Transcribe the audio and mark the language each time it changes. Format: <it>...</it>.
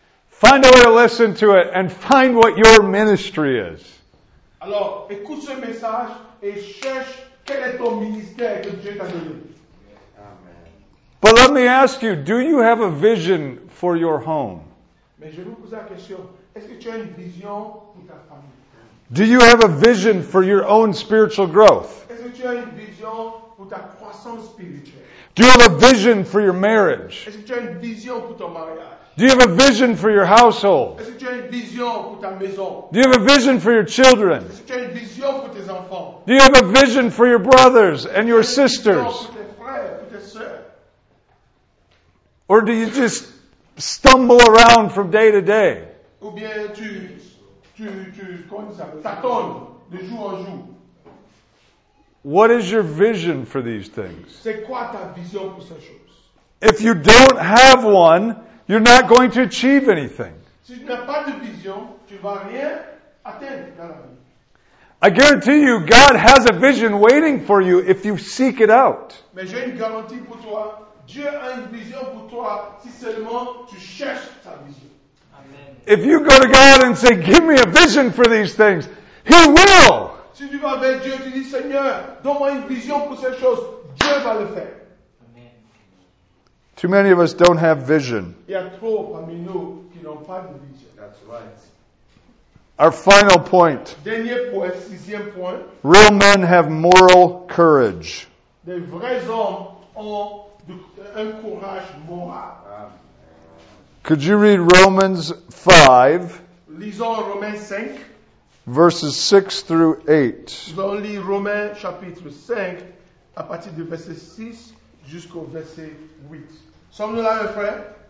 <en>Find a way to listen to it and find what your ministry is.</en> <fr>Alors, écoute ce message et cherche quel est ton ministère que Dieu t'a donné.</fr> <en>Amen. But let me ask you, do you have a vision for your home?</en> <fr>Mais je vous pose la question, est-ce que tu as une vision pour ta famille?</fr> <en>Do you have a vision for your own spiritual growth?</en> <fr>Est-ce que tu as une vision pour ta croissance spirituelle?</fr> <en>Do you have a vision for your marriage?</en> <fr>Est-ce que tu as une vision pour ton mariage?</fr> <en>Do you have a vision for your household?</en> <fr>Est-ce que tu as une vision pour ta maison?</fr> <en>Do you have a vision for your children?</en> <fr>Est-ce que tu as une vision pour tes enfants?</fr> <en>Do you have a vision for your brothers and your sisters?</en> <fr>Pour tes frères, pour tes sœurs?</fr> <en>Or do you just stumble around from day to day?</en> <fr>Ou bien tu comment ça t'attends de jour en jour?</fr> <en>What is your vision for these things?</en> <fr>C'est quoi ta vision pour ces choses?</fr> <en>If you don't have one, you're not going to achieve anything.</en> <fr>Si tu n'as pas de vision, tu vas rien atteindre dans la vie.</fr> <en>I guarantee you, God has a vision waiting for you if you seek it out.</en> <fr>Mais j'ai une garantie pour toi. Dieu a une vision pour toi si seulement tu cherches ta vision.</fr> <en>Amen. If you go to God and say, "Give me a vision for these things," He will.</en> <fr>Si tu vas vers Dieu, tu dis, Seigneur, donne-moi une vision pour ces choses. Dieu va le faire.</fr> <en>Too many of us don't have vision.</en> <fr>Il y a trop parmi nous qui n'ont pas de vision.</fr> <en>That's right. Our final point.</en> <fr>Dernier point, sixième point.</fr> <en>Real men have moral courage.</en> <fr>Les vrais hommes ont un courage moral.</fr> <en>Could you read Romans 5?</en> <fr>Lisons Romains 5.</fr> <en>Verses 6 through 8.</en> <fr>Nous allons lire Romains chapitre 5 à partir du verset 6 jusqu'au verset 8. Sommes-nous là, mes frères?</fr>